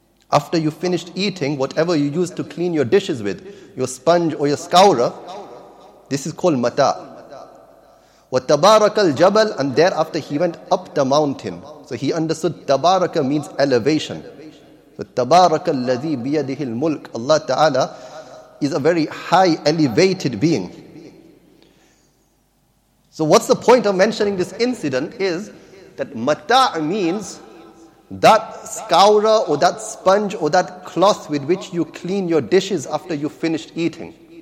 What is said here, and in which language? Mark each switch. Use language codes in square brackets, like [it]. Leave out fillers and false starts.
[en] After you finished eating, whatever you use to clean your dishes with, your sponge or your scourer, this is called mata. [ar] وَتَبَارَكَ الْجَبَلُ. [en] And thereafter he went up the mountain. So he understood tabaraka means elevation. [ar] So tabaraka الَّذِي بِيَدِهِ الْمُلْكِ. [en] Allah Ta'ala is a very high elevated being. So what's the point of mentioning this incident is that mata' means that scourer or that sponge or that cloth with which you clean your dishes after you finished eating.